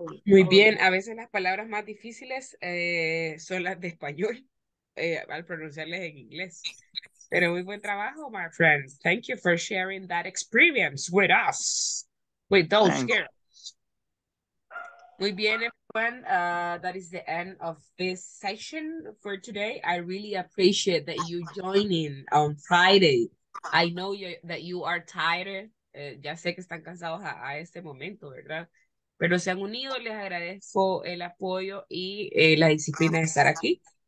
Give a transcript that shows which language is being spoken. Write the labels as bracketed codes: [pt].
[es] Muy bien, a veces las palabras más difíciles son las de español al pronunciarles en inglés. Pero muy buen trabajo, [en] my friends. Thank you for sharing that experience with us, with those Thanks. girls. [es] Muy bien, [en] everyone. That is the end of this session for today. I really appreciate that you joining on Friday. I know that you are tired. [es] Ya sé que están cansados a este momento, ¿verdad? Pero se han unido, les agradezco el apoyo y la disciplina de estar aquí.